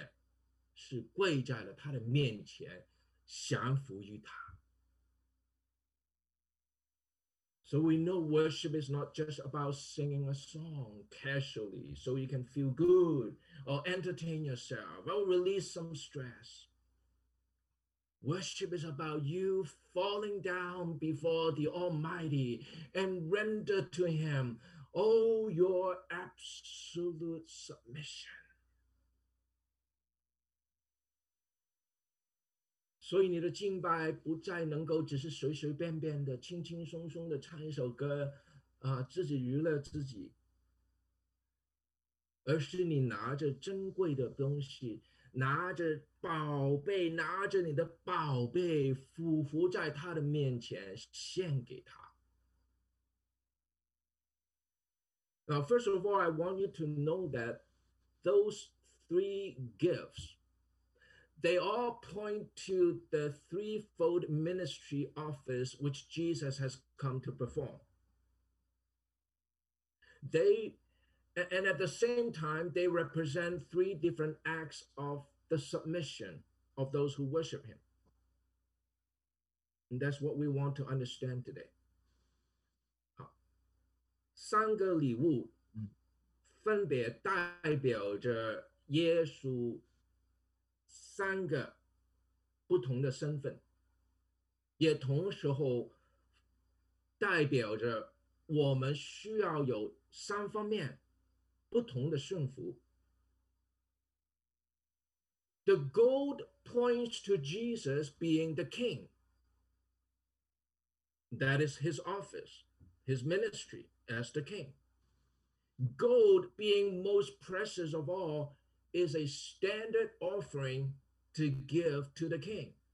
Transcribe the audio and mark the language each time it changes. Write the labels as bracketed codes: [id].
[zh] 当圣经说那是自己来俯伏拜耶稣，他们并不只是弯弯身低低头，他们是两个膝盖跪了在地上面。弟兄姐妹，从今往后，在你的敬拜里面，你要有这个元素，在你的灵里面，在你的灵里面，是跪在了他的面前。降服于他。 [en] So we know worship is not just about singing a song casually so you can feel good or entertain yourself or release some stress. Worship is about you falling down before the Almighty and render to him all your absolute submission. [zh] 所以你的敬拜不再能够只是随随便便的、轻轻松松的唱一首歌自己娱乐自己，而是你拿着珍贵的东西，拿着宝贝，拿着你的宝贝，俯伏在他的面前献给他。 [en] Now, first of all, I want you to know that those three gifts, they all point to the threefold ministry office which Jesus has come to perform. And at the same time, they represent three different acts of the submission of those who worship him. And that's what we want to understand today. [zh] 三个礼物分别代表着耶稣三个不同的身份，也同时候代表着我们需要有三方面不同的顺服。 [en] The gold points to Jesus being the king. That is his office, his ministry. As the king. Gold, being most precious of all, is a standard offering to give to the king.